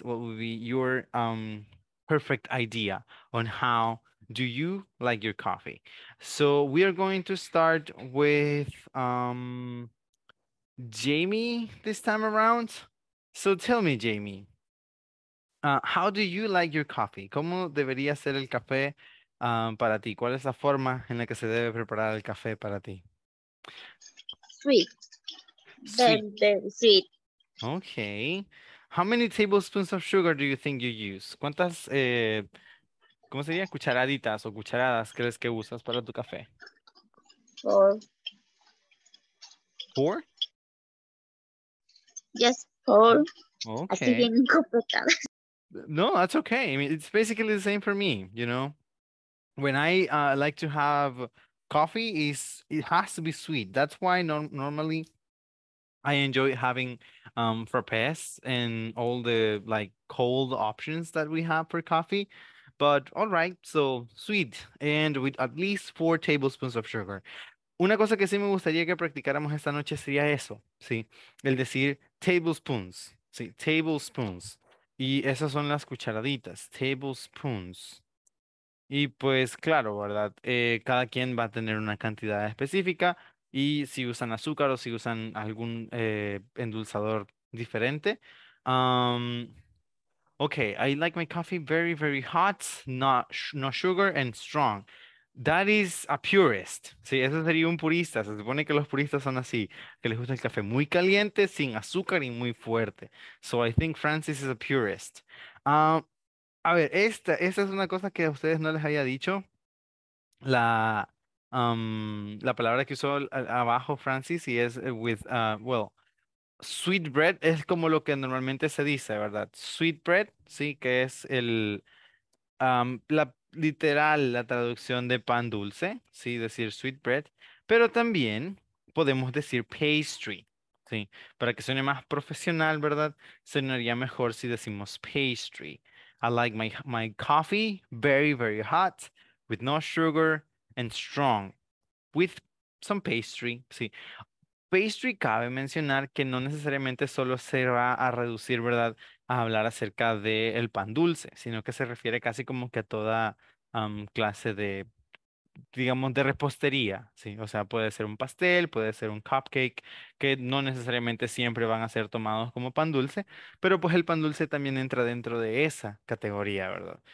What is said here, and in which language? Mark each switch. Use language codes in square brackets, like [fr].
[en] What will be your perfect idea on how do you like your coffee? So we are going to start with Jamie this time around. So tell me, Jamie, how do you like your coffee? [es] ¿Cómo debería ser el café? Para ti, ¿cuál es la forma en la que se debe preparar el café para ti? [en] Sweet, Sweet. very sweet. Okay. How many tablespoons of sugar do you think you use? [es] ¿Cuántas, cómo serían cucharaditas o cucharadas crees que usas para tu café? [en] Four. Four? Yes, four. [es] Así [en] Okay. [es] bien completado. [en] No, that's okay. I mean, it's basically the same for me, When I like to have coffee, it has to be sweet. That's why normally I enjoy having frappés and all the like cold options that we have for coffee. But all right, so sweet and with at least 4 tablespoons of sugar. [es] Una cosa que sí me gustaría que practicáramos esta noche sería eso, sí, el decir tablespoons, sí, tablespoons. Y esas son las cucharaditas, tablespoons. Y pues claro, ¿verdad? Cada quien va a tener una cantidad específica y si usan azúcar o si usan algún endulzador diferente. [en] Okay, I like my coffee very, very hot, not sugar and strong. That is a purist. [es] Sí, eso sería un purista. Se supone que los puristas son así, que les gusta el café muy caliente, sin azúcar y muy fuerte. [en] So I think Francis is a purist. [es] A ver, esta es una cosa que a ustedes no les había dicho. La palabra que usó abajo Francis, y es with, well, sweet bread es como lo que normalmente se dice, ¿verdad? Sweet bread, sí, que es el, la literal, la traducción de pan dulce, sí, decir sweet bread, pero también podemos decir pastry, sí, para que suene más profesional, ¿verdad? Sonaría mejor si decimos pastry. [en] I like my coffee very, very hot, with no sugar and strong, with some pastry, sí. [es] Pastry, cabe mencionar que no necesariamente solo se va a reducir, ¿verdad?, a hablar acerca del pan dulce, sino que se refiere casi como que a toda clase de, digamos, de repostería, ¿sí? O sea, puede ser un pastel, puede ser un cupcake, que no necesariamente siempre van a ser tomados como pan dulce, pero pues el pan dulce también entra dentro de esa categoría, ¿verdad?